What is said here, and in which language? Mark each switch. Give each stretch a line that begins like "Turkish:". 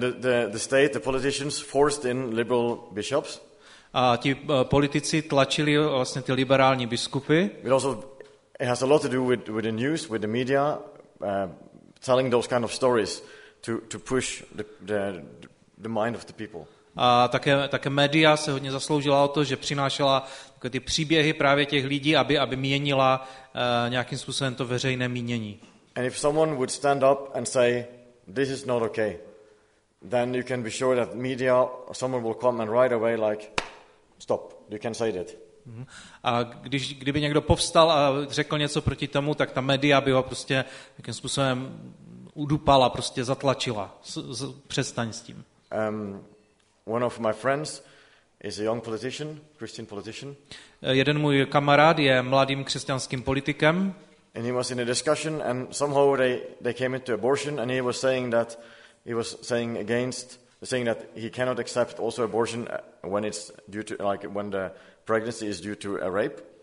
English: the state, the politicians forced in liberal bishops.
Czech: A ti politici tlačili vlastně ty liberální biskupy.
English: It also it has a lot to do with the news, with the media, telling those kind of stories to push the mind of the people.
Czech: A také média se hodně zasloužila o to, že přinášela ty příběhy právě těch lidí, aby měnila nějakým způsobem to veřejné mínění.
English: And if someone would stand up and say this is not okay, then you can be sure that media or someone will come and right away like Stop. You can say that.
Czech: A kdyby někdo povstal a řekl něco proti tomu, tak ta média by ho prostě nějakým způsobem udupala, prostě zatlačila. Přestaň s tím.
English: One of my friends is a young politician, Christian politician.
Czech: Jeden můj kamarád je mladým křesťanským politikem.
English: And he was in a discussion and somehow they came into abortion and he was saying that he cannot accept also abortion when it's due to like when the pregnancy is due to a rape.